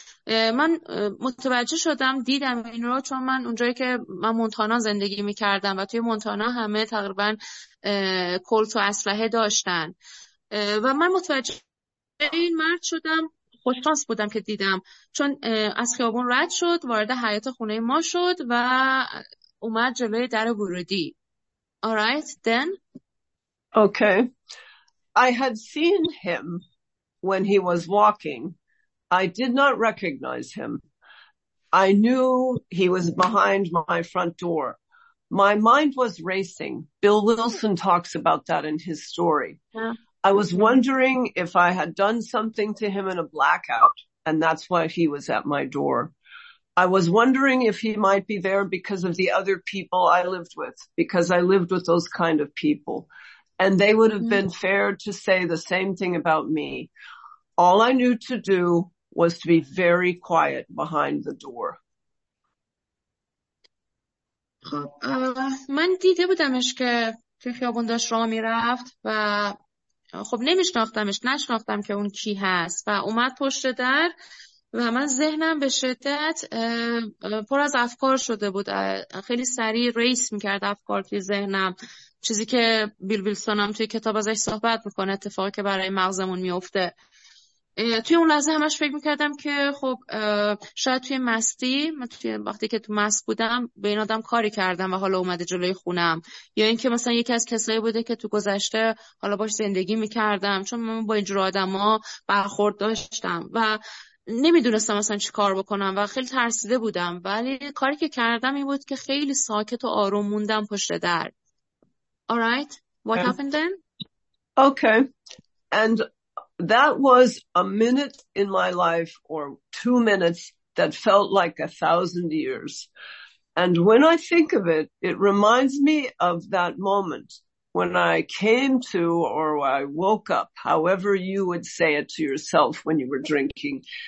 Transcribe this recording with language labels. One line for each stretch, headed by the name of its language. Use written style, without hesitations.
Persian: من متوجه شدم، دیدم این رو، چون من اونجایی که من مونتانا زندگی میکردم و توی مونتانا همه تقریبا کلت و اسلحه داشتن و من متوجه این مرد شدم. خوششانس بودم که دیدم، چون از خیابون رد شد وارد حیاط خونه ما شد و اومد جلوی در ورودی.
English: Alright, then. Okay. I had seen him when he was walking. I did not recognize him. I knew he was behind my front door. My mind was racing. Bill Wilson talks about that in his story. Yeah. I was wondering if I had done something to him in a blackout, and that's why he was at my door. I was wondering if he might be there because of the other people I lived with, because I lived with those kind of people. And they would have been fair to say the same thing about me. All I knew to do was to be very quiet behind the door.
Persian: من دیده بودمش که توی خیابون داشت راه میرفت و خب نشناختم که اون کی هست و اومد پشت در و من ذهنم به شدت پر از افکار شده بود. خیلی سریع ریس میکرد افکار توی ذهنم، چیزی که بیل ویلسون هم توی کتاب ازش صحبت میکنه، اتفاقی که برای مغزمون میفته. توی اون لحظه همش فکر میکردم که خب شاید توی مستی، من توی وقتی که تو مست بودم به این آدم کاری کردم و حالا اومده جلوی خونم، یا اینکه مثلا یکی از کسایی بوده که تو گذشته حالا باش زندگی میکردم، چون من با اینجور آدم ها برخورد داشتم و نمیدونستم مثلا چی کار بکنم و خیلی ترسیده بودم. ولی کاری که کردم این بود که خیلی ساکت و آروم موندم پشت در.
English: Alright, what happened then? Okay, and that was a minute in my life or 2 minutes that felt like 1,000 years. And when I think of it, it reminds me of that moment when I came to, or I woke up, however you would say it to yourself when you were drinking.